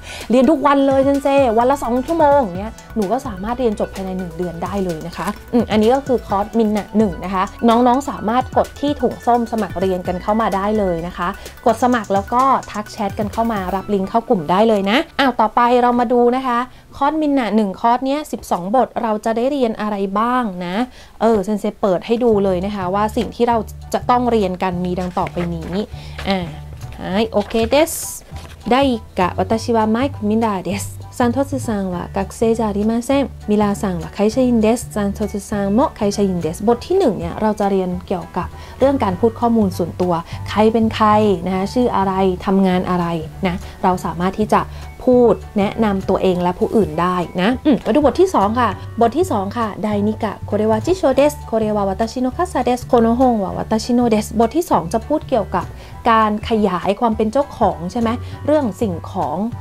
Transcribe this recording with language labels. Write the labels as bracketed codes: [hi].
[th] เรียนทุกวันเลยเซนเซวันละ2ชั่วโมงเงี้ยหนูก็สามารถเรียนจบภายใน1เดือนได้เลยนะคะอันนี้ก็คือคอร์สมินน่ะ1นะคะน้องๆสามารถกดที่ถุงส้มสมัครเรียนกันเข้ามาได้เลยนะคะกดสมัครแล้วก็ทักแชทกันเข้ามารับลิงก์เข้ากลุ่มได้เลยนะอ้าวต่อไปเรามาดูนะคะคอร์สมินน่ะ1คอร์สเนี้ย12บทเราจะได้เรียนอะไรบ้างนะเซนเซเปิดให้ดูเลยนะคะว่าสิ่งที่เราจะต้องเรียนกันมีดังต่อไปนี้ [ja] はい、OK です。第1課、私はマイク・ミラーです。サントツさんは学生じゃありません。ミラーさんは会社員です。サントツさんも会社員です。 [th] บทที่1เนี่ยเราจะเรียนเกี่ยวกับเรื่องการพูดข้อมูลส่วนตัวใครเป็นใครนะชื่ออะไรทำงานอะไรนะเราสามารถที่จะพูดแนะนำตัวเองและผู้อื่นได้นะมาดูบทที่2ค่ะบทที่2ค่ะไดนิกะ [ja] これは辞書ですこれは私の傘ですこの本は私のです [th] บทที่2จะพูดเกี่ยวกับการขยายความเป็นเจ้าของใช่ไหมเรื่องสิ่งของ